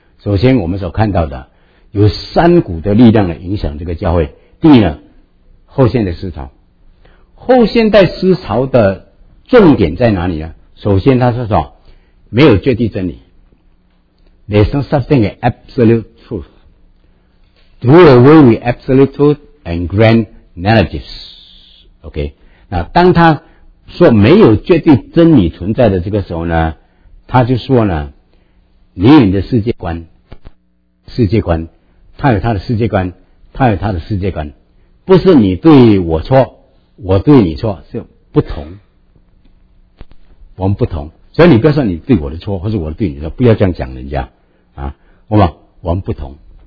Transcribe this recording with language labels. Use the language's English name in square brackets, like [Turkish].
[Chinese] 首先我们所看到的有三股的力量呢影响这个教会。第一呢，后现代思潮。后现代思潮的重点在哪里呢？首先它是说没有绝对真理。 [English] There's no such thing as absolute truth. Do away with absolute truth and grand narratives. Okay. [Chinese] 那当他说没有绝对真理存在的这个时候呢，他就说呢，你有你的世界观，他有他的世界观，他有他的世界观，不是你对我错，我对你错，是不同，我们不同，所以你不要说你对我的错，或是我对你的错，不要这样讲人家，啊，我们不同。